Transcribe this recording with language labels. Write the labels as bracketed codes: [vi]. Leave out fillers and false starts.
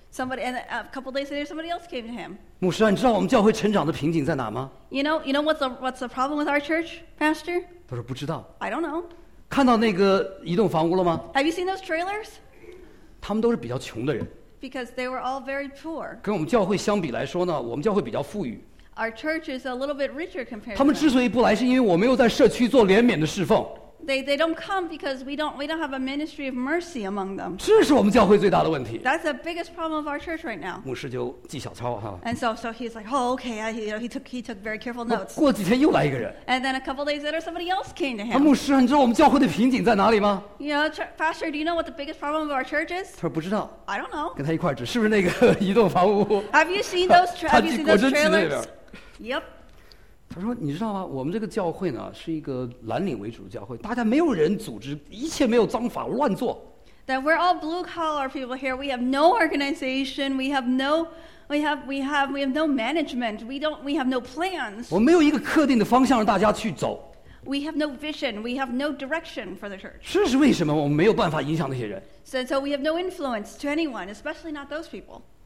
[en] Somebody and a couple days later, somebody else came to him. [zh] 牧师啊，你知道我们教会成长的瓶颈在哪吗 [en] ？You know what's the problem with our church, Pastor? [zh] 他说不知道。 [en] I don't know. [zh] 看到那个移动房屋了吗 [en] ？Have you seen those trailers? [zh] 他们都是比较穷的人。 [en] Because they were all very poor. [zh] 跟我们教会相比来说呢，我们教会比较富裕。 [en] Our church is a little bit richer compared. [zh] 他们之所以不来，是因为我没有在社区做怜悯的侍奉。 [en] They don't come because we don't have a ministry of mercy among them. [zh] 这是我们教会最大的问题。 [en] That's the biggest problem of our church right now. [zh] 牧师就记小抄哈。 [en] And so he's like, oh, okay. He took very careful notes. [zh] 过几天又来一个人。 [en] And then a couple days later, somebody else came to him. [zh] 牧师，你知道我们教会的瓶颈在哪里吗 [en] Pastor, do you know what the biggest problem of our church is? [zh] 他说不知道。 [en] I don't know. [zh] 跟他一块指，是不是那个移动房屋 [en] ？Have you seen those trailers? Yep. [zh] 他说：“你知道吗？我们这个教会呢，是一个蓝领为主的教会，大家没有人组织，一切没有章法乱做。 [en] That we're all blue collar people here. We have no organization. We have no management. We have no plans. [zh] 我没有一个特定的方向让大家去走。 [en] We have no vision. We have no direction for the church. [zh] 这是为什么？我们没有办法影响那些人。 [en] So we have no influence to anyone, especially not those people.